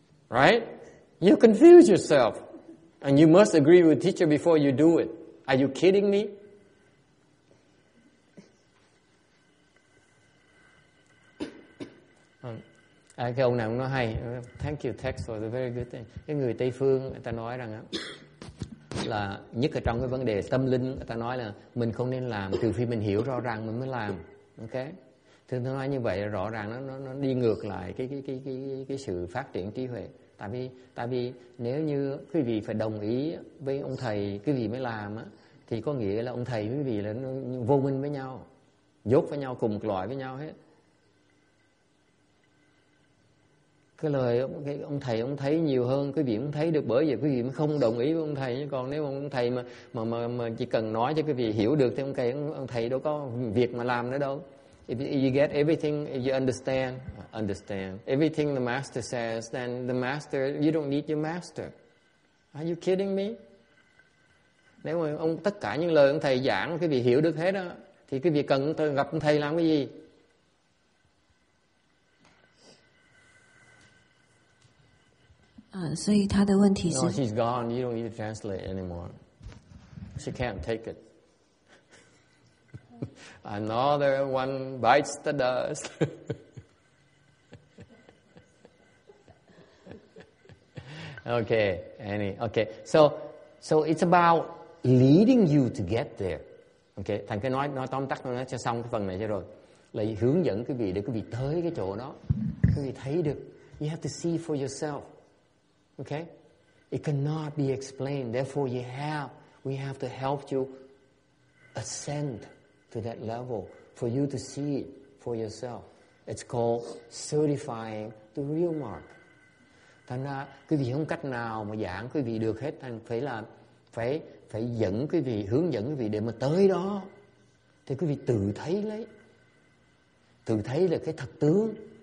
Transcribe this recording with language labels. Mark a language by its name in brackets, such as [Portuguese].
[English] Right? You confuse yourself. And you must agree with the teacher before you do it. Are you kidding me? [Vietnamese] Cái ông này ông nói hay. [English] Thank you, text for the very good thing. [Vietnamese] Cái người Tây Phương, người ta nói rằng là nhất ở trong cái vấn đề tâm linh, người ta nói là mình không nên làm trừ khi mình hiểu rõ ràng mình mới làm. Ok? Thường nói như vậy rõ ràng nó đi ngược lại cái sự phát triển trí huệ. Tại vì nếu như quý vị phải đồng ý với ông thầy, quý vị mới làm á, thì có nghĩa là ông thầy quý vị là vô minh với nhau. dốt với nhau cùng một loại với nhau hết. Cái lời ông thầy ông thấy nhiều hơn, quý vị ông thấy được, bởi vì quý vị mới không đồng ý với ông thầy. Chứ còn nếu ông thầy mà chỉ cần nói cho quý vị hiểu được thì ông thầy đâu có việc mà làm nữa đâu. [English] If you get everything, if you understand everything the master says, then the master, you don't need your master. Are you kidding me? [Vietnamese] Nếu mà ông tất cả những lời ông thầy giảng quý vị hiểu được hết đó, thì quý vị cần gặp ông thầy làm cái gì? [English] So she's gone. You don't need to translate anymore. She can't take it. Another one bites the dust. Okay. So it's about leading you to get there. Okay. [Vietnamese] Thành cái nói tóm tắt nó cho xong cái phần này cho rồi. Là hướng dẫn quý vị để quý vị tới cái chỗ đó. Quý vị thấy được. [English] You have to see for yourself. Okay? It cannot be explained. Therefore, we have to help you ascend to that level for you to see it for yourself. It's called certifying the real mark. [Vietnamese] Thành ra, quý vị không cách nào mà giảng quý vị được hết. Thành phải là phải dẫn quý vị, hướng dẫn quý vị để mà tới đó. Thì quý vị tự thấy lấy. Tự thấy là cái thật tướng.